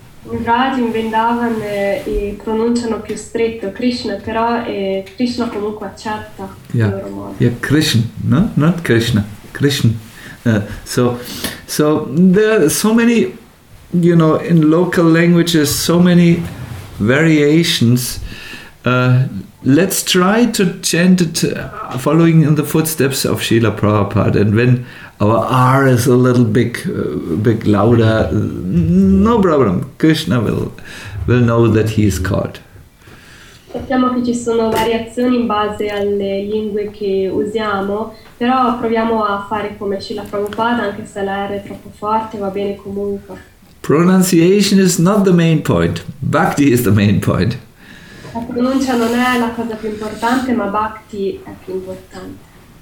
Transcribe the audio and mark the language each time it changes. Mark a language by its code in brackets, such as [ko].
[it] In Braj, in Vrindavan, pronunciano più stretto Krishna, però Krishna comunque accetta [en] yeah. [it] Il loro modo. [en] Yeah, Krishna, no? Not Krishna, Krishna. So there are so many, you know, in local languages, so many variations. Let's try to chant it following in the footsteps of Srila Prabhupada, and when our R is a little big louder, no problem, Krishna will know that he is caught. [it] Sappiamo che ci sono variazioni in base alle lingue che usiamo, però proviamo a fare come Srila Prabhupada, anche se la R è troppo forte, va bene comunque. [en] Pronunciation is not the main point. Bhakti is the main point. [it] La pronuncia non è la cosa più importante, ma Bhakti è più importante.